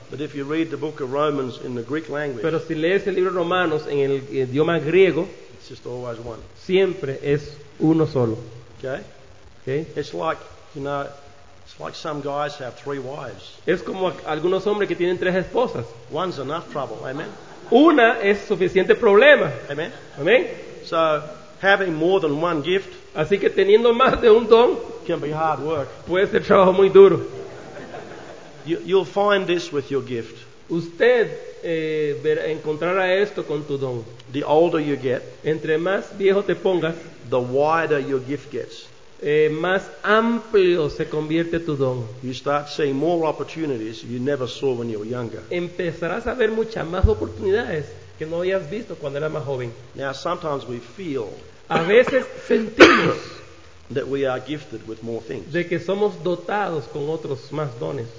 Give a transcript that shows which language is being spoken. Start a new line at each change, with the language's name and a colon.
English: But if you read the book of Romans in the Greek language.
Spanish: Pero si lees el libro de Romanos en el idioma griego.
English: It's just always one.
Spanish: Siempre es uno solo.
English: Okay. Okay. It's like, you know, it's like some guys have three wives.
Spanish: Es como algunos hombres que tienen tres esposas.
English: One's enough trouble. Amen.
Spanish: Una es suficiente problema. Amen. Amen.
English: So having more than one gift.
Spanish: Así que teniendo más de un don,
English: can be hard work.
Spanish: Puede ser trabajo muy duro.
English: You'll find this with your gift.
Spanish: Usted encontrará esto con tu don.
English: The older you get,
Spanish: entre más viejo te pongas,
English: the wider your gift gets.
Spanish: Más amplio se convierte tu don.
English: You start seeing more opportunities you never saw when you were younger.
Spanish: Empezarás a ver muchas más oportunidades que no habías visto cuando eras más joven.
English: Now sometimes we feel.
Spanish: A veces sentimos
English: that we are gifted with more things.
Spanish: De que somos dotados con otros más dones.